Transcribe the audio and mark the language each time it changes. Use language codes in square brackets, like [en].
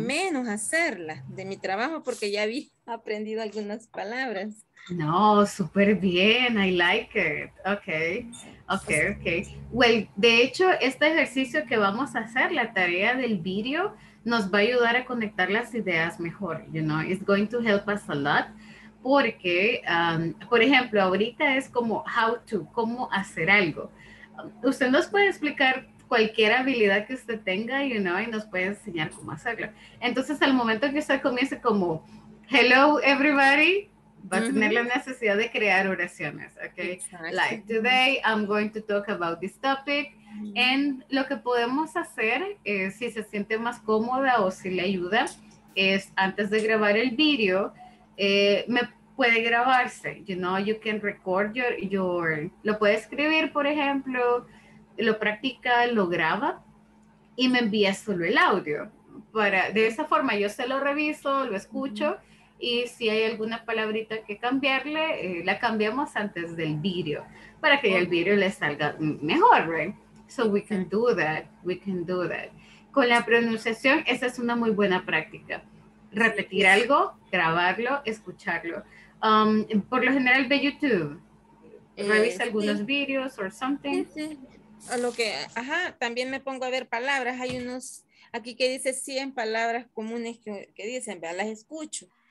[es] menos hacerla de mi trabajo porque ya había aprendido algunas palabras. No, súper bien. [en] I like it. Okay. [es] Well, de hecho, este ejercicio que vamos a hacer, la tarea del video, nos va a ayudar a conectar las ideas mejor. [en] You know, it's going to help us a lot. [es] Porque, por ejemplo, ahorita es como [en] how to, [es] cómo hacer algo. ¿Usted nos puede explicar cualquier habilidad que usted tenga, you know, y nos puede enseñar cómo hacerlo? Entonces, al momento que usted comience como, hello, everybody, va a tener la necesidad de crear oraciones, okay? [en] Exactly. Like, today I'm going to talk about this topic. [es] Mm-hmm. And lo que podemos hacer, si se siente más cómoda o si le ayuda, es antes de grabar el video, me puede grabarse, you know, [en] you can record your, [es] lo puede escribir, por ejemplo, lo practica, lo graba y me envía solo el audio. De esa forma yo se lo reviso, lo escucho uh-huh. y si hay alguna palabrita que cambiarle, la cambiamos antes del video para que uh-huh. el video le salga mejor, right? [en] So we can do that, we can do that. [es] Con la pronunciación, esa es una muy buena práctica. Repetir sí. algo, grabarlo, escucharlo. Por lo general ve YouTube, revisa sí. algunos videos [en] or something. [es] Sí, sí. A lo que, ajá, también me pongo a ver palabras, hay unos, aquí que dice 100 palabras comunes que dicen, vean, las escucho.